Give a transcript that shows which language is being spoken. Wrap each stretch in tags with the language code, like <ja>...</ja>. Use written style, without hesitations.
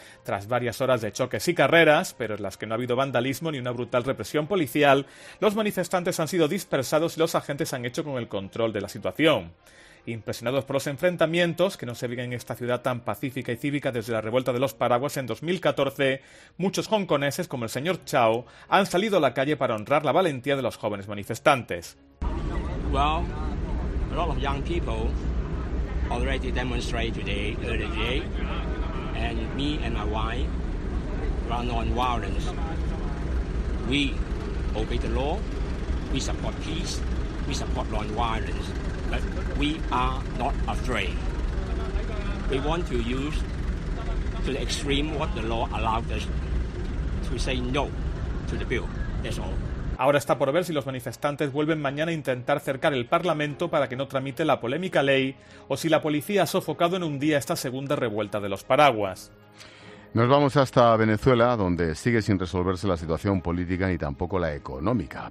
<es>Tras varias horas de choques y carreras, pero en las que no ha habido vandalismo ni una brutal represión policial, los manifestantes han sido dispersados y los agentes han hecho con el control de la situación. Impresionados por los enfrentamientos, que no se viven en esta ciudad tan pacífica y cívica desde la revuelta de los paraguas en 2014, muchos hongkoneses, como el señor Chao, han salido a la calle para honrar la valentía de los jóvenes manifestantes.</es> <en>Well, a lot of young people already demonstrated today, early today, and me and my wife run on violence. We obey the law, we support peace. We support non-violence, but we are not afraid. We want to use to the extreme what the law allows us to say no to the bill. That's all.</en> <es>Ahora está por ver si los manifestantes vuelven mañana a intentar cercar el Parlamento para que no tramite la polémica ley o si la policía ha sofocado en un día esta segunda revuelta de los paraguas. Nos vamos hasta Venezuela, donde sigue sin resolverse la situación política ni tampoco la económica.</es>